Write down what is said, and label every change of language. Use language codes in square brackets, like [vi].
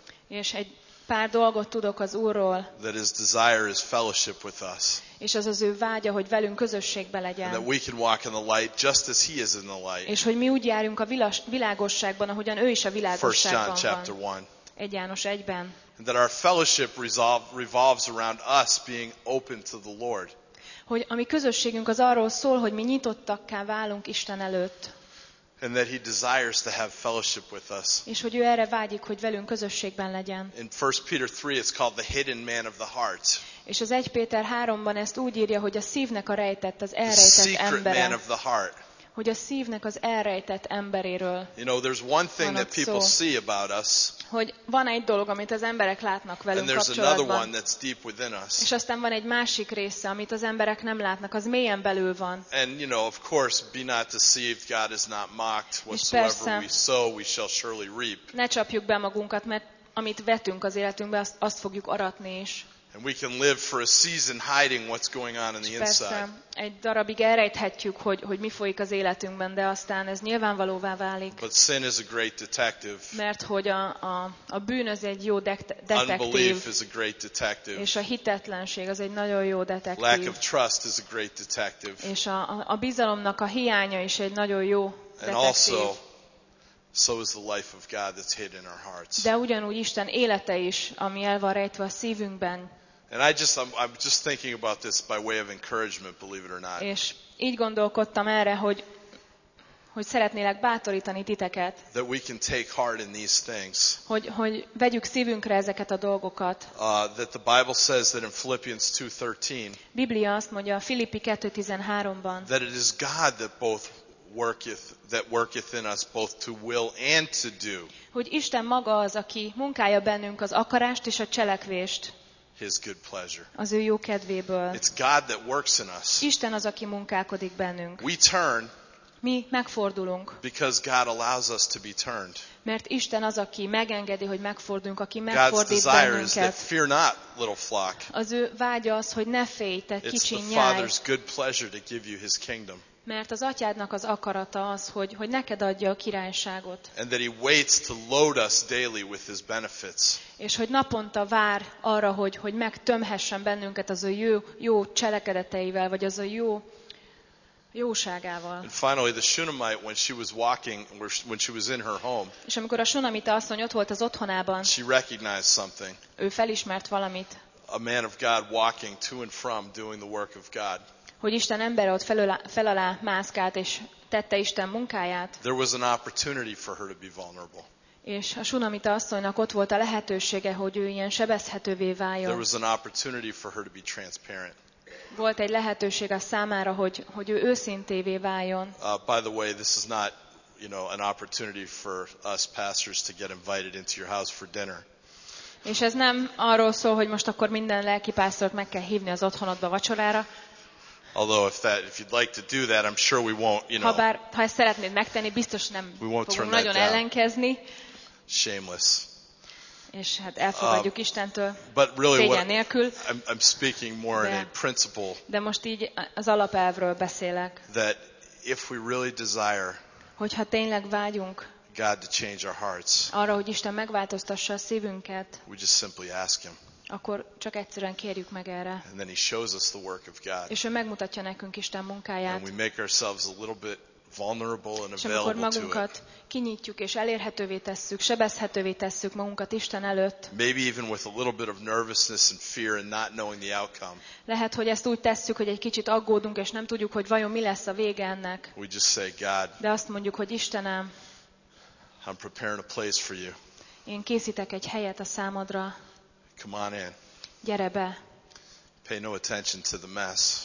[hu] És egy pár dolgot tudok az Úrról. [en] That his desire is fellowship with us. [hu] És az ő vágya, hogy velünk közösségben legyen. [en] That we can walk in the light just as he is in the light. [hu] És hogy mi úgy járjunk a világosságban, ahogyan ő is a világosságban van. [en] 1 John chapter 1. [hu] 1 János 1-ben. [en] And that our fellowship revolves around us being open to the Lord. [hu] Hogy a mi közösségünk az arról szól, hogy mi nyitottakká válunk Isten előtt. [en] And that he desires to have fellowship with us. [hu] És hogy ő erre vágyik, hogy velünk közösségben legyen. [en] In 1 Peter 3 it's called the hidden man of the heart. [hu] És az 1 Péter 3-ban ezt úgy írja, hogy a szívnek a rejtett, az elrejtett embere. [en] Secret man of the heart. [hu] Hogy a szívnek az elrejtett emberéről. [en] You know, there's one thing that people see about us. [hu] Hogy van egy dolog, amit az emberek látnak velünk kapcsolatban. [en] And there's another one that's deep within us. [hu] És aztán van egy másik része, amit az emberek nem látnak, az mélyen belül van. [en] And you know, of course, be not deceived, God is not mocked, whatsoever we sow, we shall surely reap. [hu] Ne csapjuk be magunkat, mert amit vetünk az életünkbe, azt fogjuk aratni is. [en] And we can live for a season hiding what's going on in the inside. [hu] Egy darabig elrejthetjük, hogy mi folyik az életünkben, de aztán ez nyilvánvalóvá válik. [en] But sin is a great detective. [hu] Mert hogy a bűn az egy jó detektív. [en] Unbelief is a great detective. [hu] És a hitetlenség az egy nagyon jó detektív. [en] Lack of trust is a great detective. [hu] És a bizalomnak a hiánya is egy nagyon jó detektív. [en] And also, so is the life of God that's hid in our hearts. [hu] De ugyanúgy Isten élete is, ami el van rejtve a szívünkben. [en] And I'm just thinking about this by way of encouragement, believe it or not. [hu] És így gondolkodtam erre, hogy szeretnélek bátorítani titeket. [en] That we can take heart in these things. [hu] Hogy vegyük szívünkre ezeket a dolgokat. [en] That the Bible says that in Philippians 2:13. [hu] Biblia azt mondja a Filippi 2:13-ban. [en] That it is God that worketh in us both to will and to do. [hu] Hogy Isten maga az, aki munkálja bennünk az akarást és a cselekvést. [en] His good pleasure. [hu] Az ő jó kedvéből. [en] It's God that works in us. [hu] Isten az, aki munkálkodik bennünk. [en] We turn. [hu] Mi megfordulunk. [en] Because God allows us to be turned. [hu] Mert Isten az, aki megengedi, hogy megfordulunk, aki [en] God's [hu] megfordít bennünket. [en] God's desire is that fear not, little flock. [hu] Az ő vágya az, hogy ne félj, te kicsi nyáj. [en] It's the Father's good pleasure to give you His kingdom. [hu] Mert az atyádnak az akarata az, hogy neked adja a királyságot. [en] And that he waits to load us daily with his benefits. [hu] És hogy naponta vár arra, hogy megtömhessen bennünket az a jó cselekedeteivel, vagy az a jó jóságával. [en] And finally the Shunammite, when she was walking, when she was in her home. [hu] És amikor a Shunammita asszony ott volt az otthonában. [en] She recognized something. [hu] Ő felismert valamit. [en] A man of God walking to and from doing the work of God. [hu] Hogy Isten embere ott fel alá mászkált és tette Isten munkáját. [en] There was an opportunity for her to be vulnerable. [hu] És a Shunammita asszonynak ott volt a lehetősége, hogy ő ilyen sebezhetővé váljon. [en] There was an opportunity for her to be transparent. [hu] Volt egy lehetőség a számára, hogy ő őszintévé váljon. [en] By the way, this is not, you know, an opportunity for us pastors to get invited into your house for dinner. [hu] És ez nem arról szól, hogy most akkor minden lelkipásztort meg kell hívni az otthonodba vacsorára. [en] Although if you'd like to do that, I'm sure we won't, you know. [hu] Ha ezt szeretnéd megtenni, biztos nem fogunk nagyon ellenkezni. [en] Shameless. [hu] És hát elfogadjuk Istentől szégyen nélkül. [en] I'm speaking more in a principle. [hu] De most így az alapelvről beszélek. [en] That if we really desire. [hu] Hogyha tényleg vágyunk. [en] God to change our hearts, [hu] arra, hogy Isten megváltoztassa a szívünket, [en] we just simply ask him. [hu] Akkor csak egyszerűen kérjük meg erre. [en] And then he shows us the work of God. [hu] És ő megmutatja nekünk Isten munkáját. [en] And we make ourselves a little bit vulnerable and available to [hu] it. És amikor magunkat kinyitjuk és elérhetővé tesszük, sebezhetővé tesszük magunkat Isten előtt. [en] Maybe even with a little bit of nervousness and fear and not knowing the outcome. [hu] Lehet, hogy ezt úgy tesszük, hogy egy kicsit aggódunk és nem tudjuk, hogy vajon mi lesz a vége ennek. [en] We just say, God, [hu] de azt mondjuk, hogy Istenem, [en] I'm preparing a place for you. [hu] Én készítek egy helyet a számodra. [en] Come on in. [hu] Gyere be. [en] Pay no attention to the mess.